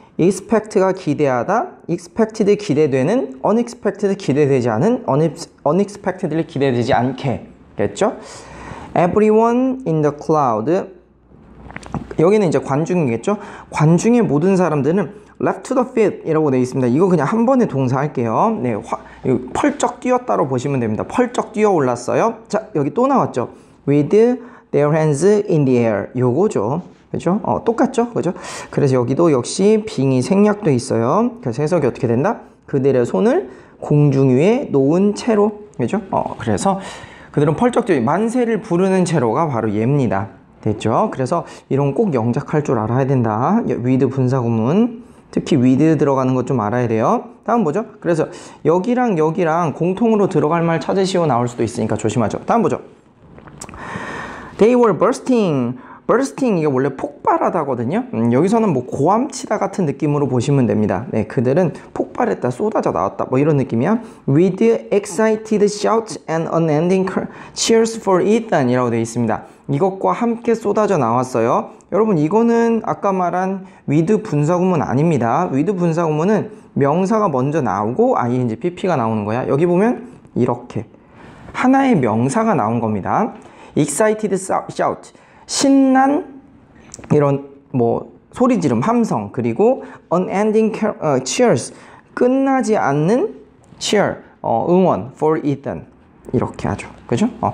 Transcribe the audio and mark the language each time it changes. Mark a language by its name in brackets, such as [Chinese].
[Korean] Expect가 기대하다, expected 기대되는, unexpected 기대되지 않은, unexpectedly 기대되지 않게겠죠? [English] Everyone in the cloud. [Korean] 여기는 이제 관중이겠죠? 관중의 모든 사람들은 [English] left to the field [Korean] 이라고 되어 있습니다. 이거 그냥 한 번에 동사할게요. 네, 펄쩍 뛰었다로 보시면 됩니다. 펄쩍 뛰어 올랐어요. 자, 여기 또 나왔죠? [English] With their hands in the air. [Korean] 요거죠. 그죠? 똑같죠? 그죠? 그래서 여기도 역시 빙이 생략되어 있어요. 그래서 해석이 어떻게 된다? 그들의 손을 공중 위에 놓은 채로. 그죠? 그래서 그들은 펄쩍 뛰어 만세를 부르는 채로가 바로 얘입니다. 됐죠? 그래서 이런 꼭 영작할 줄 알아야 된다. with 분사구문 특히 with 들어가는 것 좀 알아야 돼요. 다음 뭐죠? 그래서 여기랑 여기랑 공통으로 들어갈 말 찾으시오 나올 수도 있으니까 조심하죠. 다음 뭐죠? [English] They were bursting. [Korean] bursting 이게 원래 폭발하다거든요. 여기서는 뭐 고함치다 같은 느낌으로 보시면 됩니다. 네, 그들은 폭발했다, 쏟아져 나왔다 뭐 이런 느낌이야. [English] With excited shouts and unending cheers for Ethan [Korean] 이라고 되어 있습니다. 이것과 함께 쏟아져 나왔어요. 여러분 이거는 아까 말한 with 분사구문 아닙니다. with 분사구문은 명사가 먼저 나오고 ing, pp가 나오는 거야. 여기 보면 이렇게 하나의 명사가 나온 겁니다. [English] excited shout [Korean] 신난 이런 뭐 소리 지름 함성 그리고 [English] unending cheers [Korean] 끝나지 않는 cheer 응원 [English] for Ethan [Korean] 이렇게 하죠. 그죠?